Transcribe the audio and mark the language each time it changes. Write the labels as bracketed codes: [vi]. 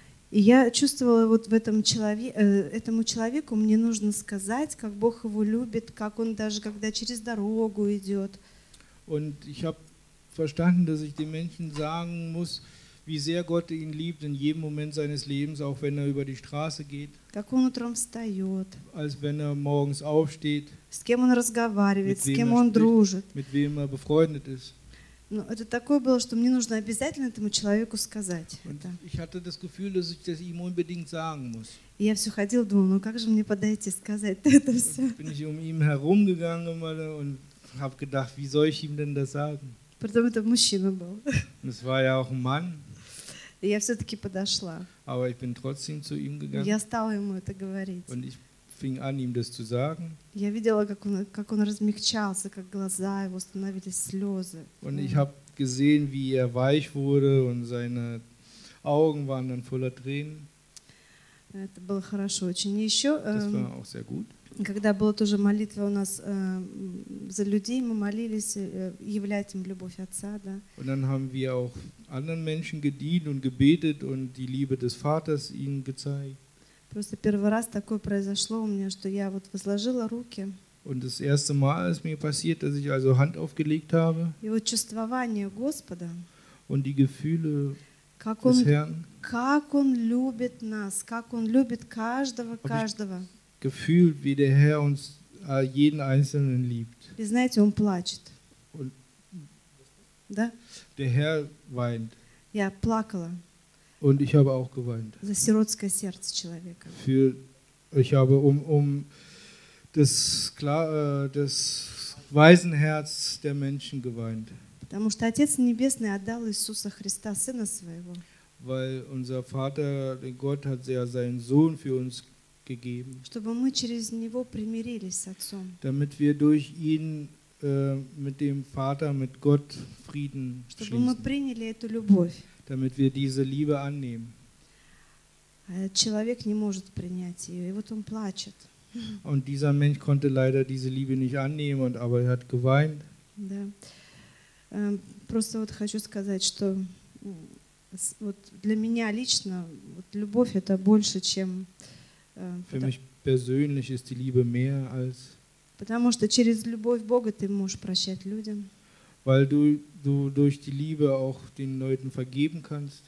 [ru] И я чувствовала вот в этом этому человеку мне нужно сказать, как Бог его любит, как он даже когда через дорогу идет. [de] Und ich habe verstanden, dass ich den Menschen sagen muss, wie sehr Gott ihn liebt in jedem Moment seines Lebens, auch wenn er über die Straße geht. [ru] Как он утром встает. [de] Als wenn er morgens aufsteht. [ru] С кем он разговаривает, с кем он дружит. [de] Mit wem er befreundet ist. [ru] Ну, это такое было, что мне нужно обязательно этому человеку сказать. [de] Und ich hatte das Gefühl, dass ich das ihm unbedingt sagen muss. [ru] И я все ходил, думал, ну как же мне подойти сказать это все. [de] Bin ich um ihn herumgegangen und habe gedacht, wie soll ich ihm denn das sagen? [ru] Потом это мужчина был. [de] Das war ja auch ein Mann. [ru] Я все-таки подошла. [de] Aber ich bin trotzdem zu ihm gegangen. [ru] Я стала ему это говорить. [de] Und ich fing an, ihm das zu sagen. [ru] Я видела, как он размягчался, как глаза его становились слезы. [de] Und ich habe gesehen, wie er weich wurde und seine Augen waren dann voller Tränen. [ru] Это было хорошо очень. Еще, [de] das war auch sehr gut. [ru] Когда была тоже молитва у нас за людей, мы молились, являть им любовь Отца, да. [de] Und dann haben wir auch anderen Menschen gedient und gebetet und die Liebe des Vaters ihnen gezeigt. [ru] Просто первый раз такое произошло у меня, что я вот возложила руки. [de] Und das erste Mal ist mir passiert, dass ich also Hand aufgelegt habe. [ru] И вот чувствование Господа. [de] Und die Gefühle [ru] как [de] des [ru] он, [de] Herrn. [ru] Как он любит нас, как он любит каждого, Hab каждого. [de] Ich gefühlt, wie der Herr uns jeden Einzelnen liebt. [ru] И знаете, он плачет. [de] Und [ru] да? [de] Der Herr weint. [ru] Я плакала. [de] Und ich habe auch geweint. [ru] За сиротское сердце человека. [de] Ich habe um das Waisenherz der Menschen geweint. [ru] Потому что Отец Небесный отдал Иисуса Христа, Сына Своего. [de] Weil unser Vater, Gott, hat ja seinen Sohn für uns gegeben. [ru] Чтобы мы через него примирились с Отцом. [de] Damit wir durch ihn mit dem Vater, mit Gott Frieden schließen. [ru] Чтобы мы приняли эту любовь. [de] Damit wir diese Liebe annehmen. [ru] Человек не может принять ее, и вот он плачет. [de] Und dieser Mensch konnte leider diese Liebe nicht annehmen, und aber er hat geweint. [ru] Да. Просто вот хочу сказать, что вот для меня лично вот любовь это больше, чем. [de] Für mich persönlich ist die Liebe mehr als. [ru] Потому что через любовь Бога ты можешь прощать людям. [de] Weil du durch die Liebe auch den Leuten vergeben kannst.